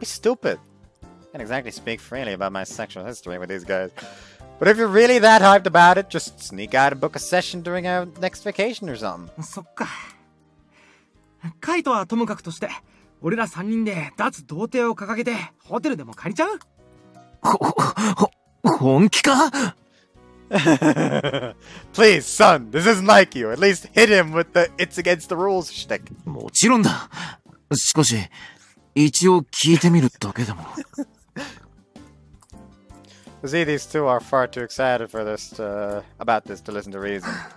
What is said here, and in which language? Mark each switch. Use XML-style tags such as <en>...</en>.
<en>Be stupid. Can't exactly speak freely about my sexual history with these guys. But if you're really that hyped about it, just sneak out and book a session during our next vacation or something.</en> <ja>そっか。カイトはともかくとして、俺ら3人で脱童貞を掲げてホテルでも借りちゃう？本気か？</ja> <en>Please, son, this isn't like you. At least hit him with the it's against the rules shtick.</en> <ja>もちろんだ。しかし、一応聞いてみるだけでも。</ja> <en>See, these two are far too excited for this to, about this to listen to reason.</en>